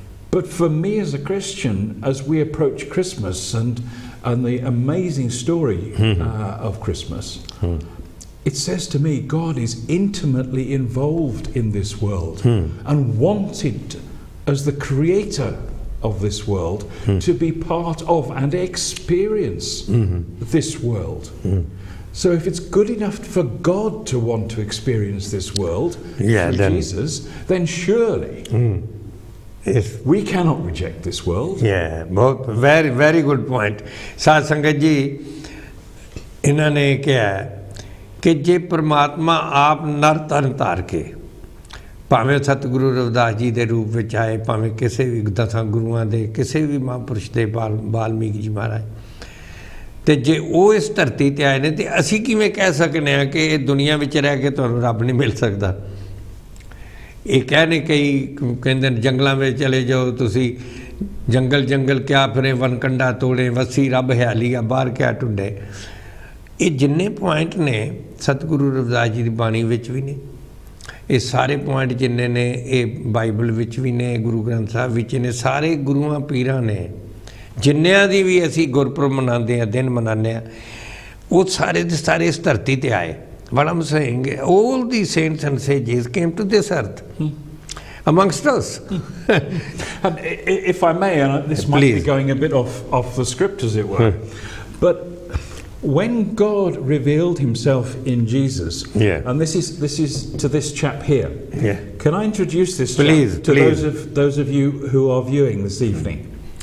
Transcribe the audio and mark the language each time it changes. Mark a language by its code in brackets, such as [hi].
[en] But for me as a Christian, as we approach Christmas and the amazing story of Christmas, it says to me, God is intimately involved in this world and wanted to, as the creator of this world, to be part of and experience this world. So if it's good enough for God to want to experience this world through Jesus, then surely we cannot reject this world. Yeah, but very, very good point. [pa] Saad Sangat Ji, inhane kya ki je Parmatma aap nar tan tar ke ਭਾਵੇਂ ਸਤਿਗੁਰੂ ਰਵਿਦਾਸ ਜੀ ਦੇ ਰੂਪ ਵਿੱਚ ਆਏ, ਭਾਵੇਂ ਕਿਸੇ ਵੀ ਦਸਾਂ ਗੁਰੂਆਂ ਦੇ, ਕਿਸੇ ਵੀ ਮਹਾਂਪੁਰਸ਼ ਦੇ, ਵਾਲਮੀਕ ਜੀ ਮਹਾਰਾਜ, ਅਤੇ ਜੇ ਉਹ ਇਸ ਧਰਤੀ 'ਤੇ ਆਏ ਨੇ ਤਾਂ ਅਸੀਂ ਕਿਵੇਂ ਕਹਿ ਸਕਦੇ ਹਾਂ ਕਿ ਇਹ ਦੁਨੀਆ ਵਿੱਚ ਰਹਿ ਕੇ ਤੁਹਾਨੂੰ ਰੱਬ ਨਹੀਂ ਮਿਲ ਸਕਦਾ? ਇਹ ਕਹਿੰਦੇ, ਕਈ ਕਹਿੰਦੇ ਨੇ ਜੰਗਲਾਂ ਵਿੱਚ ਚਲੇ ਜਾਓ ਤੁਸੀਂ, ਜੰਗਲ ਜੰਗਲ ਕਿਆ ਫਿਰੇ, ਵਨਕੰਡਾ ਤੋੜੇ, ਵੱਸੀ ਰੱਬ ਹਿਆਲੀ ਆ, ਬਾਹਰ ਕਿਆ ਢੂੰਡੇ? ਇਹ ਜਿੰਨੇ ਪੁਆਇੰਟ ਨੇ ਸਤਿਗੁਰੂ ਰਵਿਦਾਸ ਜੀ ਦੀ ਬਾਣੀ ਵਿੱਚ ਵੀ ਨੇ, ਇਹ ਸਾਰੇ ਪੁਆਇੰਟ ਜਿੰਨੇ ਨੇ ਇਹ ਬਾਈਬਲ ਵਿੱਚ ਵੀ ਨੇ, ਗੁਰੂ ਗ੍ਰੰਥ ਸਾਹਿਬ ਵਿੱਚ ਨੇ, ਸਾਰੇ ਗੁਰੂਆਂ ਪੀਰਾਂ ਨੇ, ਜਿੰਨਿਆਂ ਦੀ ਵੀ ਅਸੀਂ ਗੁਰਪੁਰਬ ਮਨਾਉਂਦੇ ਹਾਂ, ਦਿਨ ਮਨਾਉਂਦੇ ਹਾਂ, ਉਹ ਸਾਰੇ ਦੇ ਸਾਰੇ ਇਸ ਧਰਤੀ 'ਤੇ ਆਏ. [en] ਬੜਾ ਮਸਹਿੰਗ all the saints and sages came to this earth amongst us. And if I may, this might be going a bit off the script as it were, but when God revealed himself in Jesus, and this is to this chap here, can I introduce this please, to those of you who are viewing this evening?